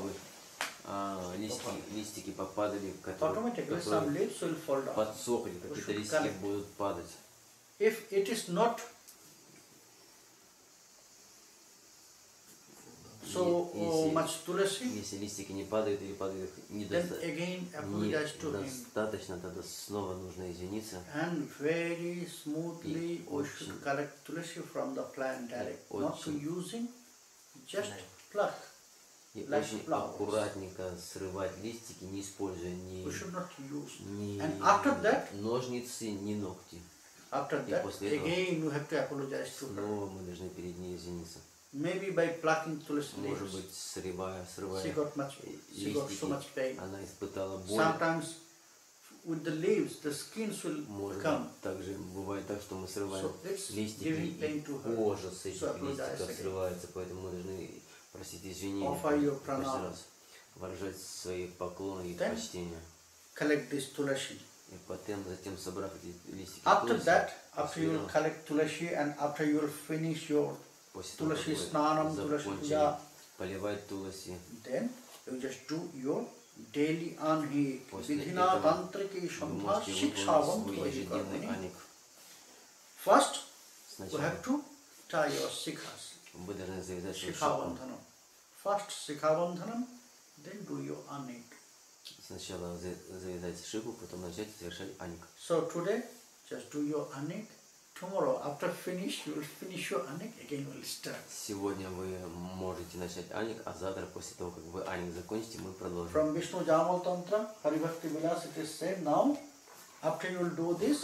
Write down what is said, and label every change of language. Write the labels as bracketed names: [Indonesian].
[Russian] Чтобы листики попадали, которые подсохли, какие-то листики будут падать. [English] If it is not So, much tulasi. [Russian] Если листики не падают или падают недостаточно, тогда снова нужно извиниться. [English] And very smoothly we should collect tulasi from the plant direct, not using, just pluck. [Russian] И очень аккуратненько срывать листики, не используя ни ножницы, ни ногти. [English] After that, [Russian] после этого, [English] again, you have to apologize to her. [Russian] Снова мы должны перед ней извиниться. [English] Maybe by plucking tulasi leaves. [Russian] Может быть, срывая [English] she got much, [Russian] листики, [English] she got so much pain. [Russian] Она испытала боль. [English] Sometimes with the leaves, the skins will [Russian] может [English] come. [Russian] Может быть, также бывает так, что мы срываем [English] so [Russian] листики, [English] pain [Russian] и [English] to her. [Russian] Кожа с этих [English] so [Russian] листиков срывается, поэтому мы должны просить извинения, каждый раз выражать свои поклоны и [English] then [Russian] почтения. [English] Collect this tulasi. [Russian] И потом, затем собрав эти листики. [English] After that, after you will collect tulasi and after you will finish your tulasi snanam, tulasi puja, [Russian] поливать tulasi. [English] Then you just do your daily anhi, vidhina tantrike shambha, shikshavam tulasi. First, you have to tie your sikhas. [Russian] Мы должны завязать [English] шикхабандханам. First шикхабандханам, then do your аник. [Russian] Сначала завязать шику, потом начать совершать аник. [English] So today, just do your аник. Tomorrow, after finish, you will finish your аник, again you will start. [Russian] Сегодня вы можете начать аник, а завтра, после того, как вы аник закончите, мы продолжим. [English] From Vishnu Jamal Tantra, Hari Bhakti Vilas, it is said, now, after you will do this,